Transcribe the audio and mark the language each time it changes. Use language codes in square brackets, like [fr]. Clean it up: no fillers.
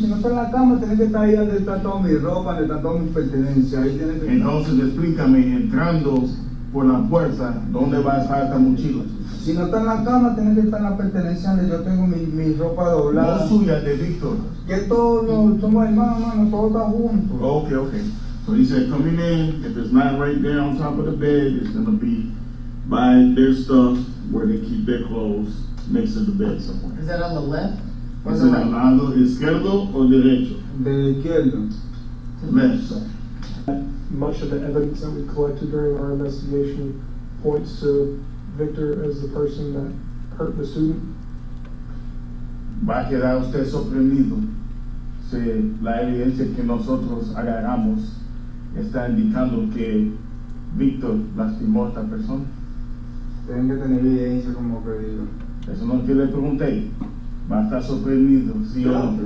[es] Si no está en la cama, tiene que estar ahí donde está toda mi ropa, donde está toda mi pertenencia. Ahí tiene que estar. Entonces explícame, entrando por la puerta, ¿dónde va a estar esta mochila? Si no está en la cama, tiene que estar en la pertenencia donde yo tengo mi ropa doblada. No suya, de Víctor. Que todos somos hermanos, hermano, todos estamos juntos. Ok, ok. [en] So he said, come in, if there's not right there on top of the bed, it's going to be by their stuff where they keep their clothes next to the bed somewhere. Is that on the left? Or is it right? [es] Al lado izquierdo o derecho? De izquierdo. [en] Left. Much of the evidence that we collected during our investigation points to Victor as the person that hurt the student. [es] Va a quedar usted sorprendido si la evidencia que nosotros agarramos está indicando que Víctor lastimó a esta persona. Tienen que tener evidencia como pedido. Eso no es que le pregunté. Va a estar sorprendido, sí o no.